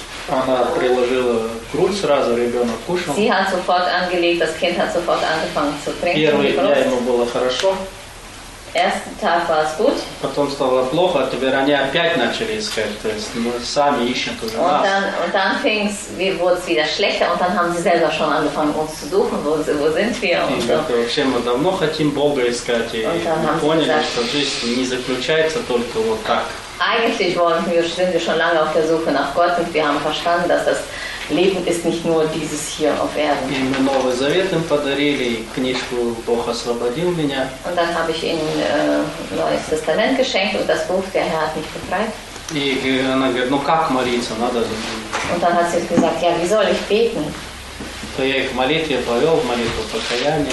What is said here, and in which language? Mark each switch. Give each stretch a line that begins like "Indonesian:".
Russian: Она приложила грудь сразу, ребенок кушал.
German: Sie hat sofort angelegt, das Kind hat sofort angefangen zu trinken.
Russian: Первый день ему было хорошо.
German: Ersten Tag war es gut.
Russian: Потом стало плохо, теперь они опять начали искать, то есть мы сами ищем тоже нас.
German: Und dann wurde es wieder schlechter und dann haben sie selber schon angefangen uns zu suchen, wo sind wir und so.
Russian: Вообще мы давно хотим Бога искать и поняли, что жизнь не заключается только вот так.
German: Eigentlich sind wir schon lange auf der Suche nach Gott und wir haben verstanden, dass das Leben ist nicht nur dieses hier auf Erden.
Russian: Ihm Новый Завет им подарили, книжку Бог освободил меня.
German: Und dann habe ich ihm Neues Testament geschenkt und das Buch der Herr hat mich befreit.
Russian: И она говорит, ну как молиться, надо же.
German: Und dann hat sie gesagt, ja, wie soll ich beten?
Russian: То я их молитве повел, в молитву покаяния.